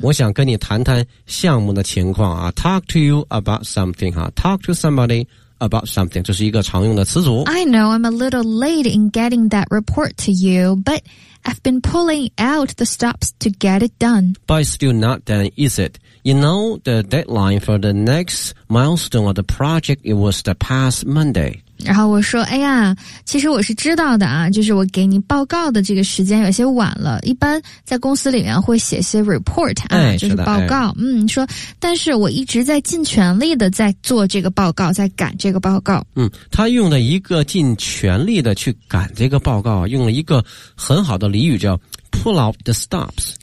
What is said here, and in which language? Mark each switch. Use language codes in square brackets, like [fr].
[zh] 我想跟你谈谈项目的情况啊。 [en] Talk to you about something 哈。Talk to somebody about something， [zh] 这是一个常用的词组。 [en] I know I'm a little late in getting that report to you, but... I've been pulling out the stops to get it done. But it's still not done, is it? You know, the deadline for the next milestone of the project, it was the past Monday. [zh] 然后我说，哎呀，其实我是知道的啊，就是我给你报告的这个时间有些晚了。一般在公司里面会写些 report 啊，哎，就是报告。哎，嗯，说，但是我一直在尽全力的在做这个报告，在赶这个报告。嗯，他用了一个尽全力的去赶这个报告，用了一个很好的俚语叫 pull out the stops。